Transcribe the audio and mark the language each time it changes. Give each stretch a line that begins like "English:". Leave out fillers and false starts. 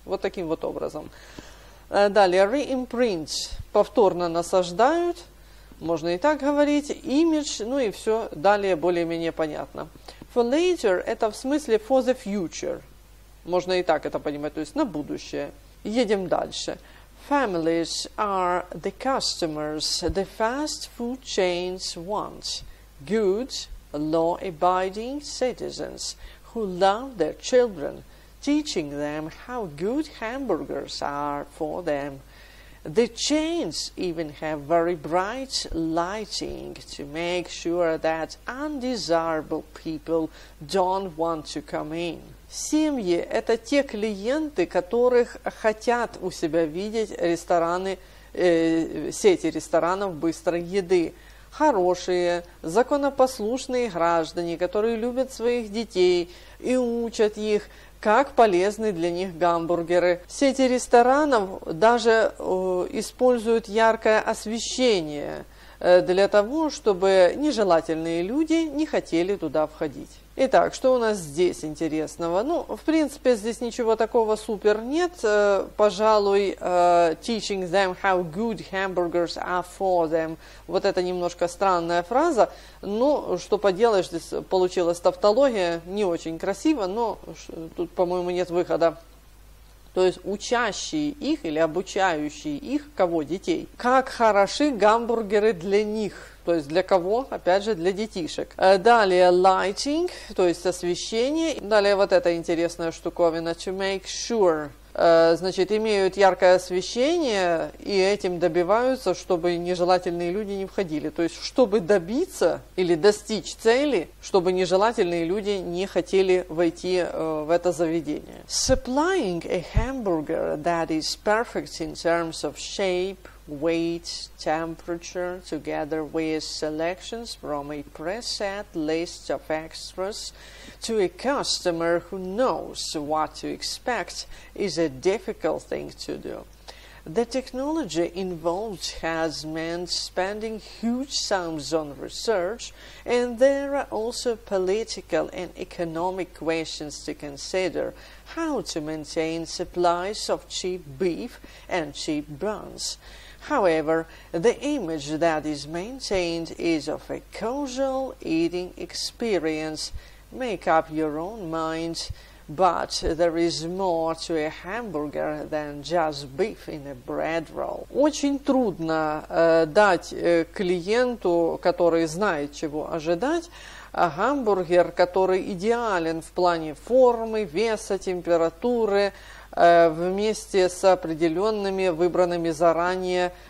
Russian: Вот таким вот образом. Далее, reimprint. Повторно насаждают. Можно и так говорить. Image, ну и все далее более-менее понятно.
English: For later,
Russian: это в смысле
English: for the future.
Russian: Можно и так это понимать, то есть на будущее. Едем дальше.
English: Families are the customers the fast food chains want. Good, law-abiding citizens who love their children, teaching them how good hamburgers are for them. The chains even have very bright lighting to make sure that undesirable people don't want to come in.
Russian: Семьи – это те клиенты, которых хотят у себя видеть рестораны, сети ресторанов быстрой еды. Хорошие, законопослушные граждане, которые любят своих детей и учат их, как полезны для них гамбургеры. Сети ресторанов даже используют яркое освещение для того, чтобы нежелательные люди не хотели туда входить. Итак, что у нас здесь интересного? Ну, в принципе, здесь ничего такого супер нет. Пожалуй,
English: teaching them how good hamburgers are for them.
Russian: Вот это немножко странная фраза. Ну, что поделаешь, здесь получилась тавтология. Не очень красиво, но тут, по-моему, нет выхода. То есть учащие их или обучающие их, кого? Детей. Как хороши гамбургеры для них. То есть для кого? Опять же, для детишек. Далее lighting, то есть освещение. Далее вот эта интересная штуковина
English: to make sure.
Russian: Значит, имеют яркое освещение и этим добиваются, чтобы нежелательные люди не входили. То есть, чтобы добиться или достичь цели, чтобы нежелательные люди не хотели войти в это заведение.
English: Supplying a hamburger that is perfect in terms of shape, weight, temperature, together with selections from a preset list of extras to a customer who knows what to expect is a difficult thing to do. The technology involved has meant spending huge sums on research, and there are also political and economic questions to consider. How to maintain supplies of cheap beef and cheap buns. However, the image that is maintained is of a casual eating experience. Make up your own mind, but there is more to a hamburger than just beef in a bread roll.
Russian: Очень трудно дать клиенту, который знает, чего ожидать, гамбургер, который идеален в плане формы, веса, температуры, вместе с определенными выбранными заранее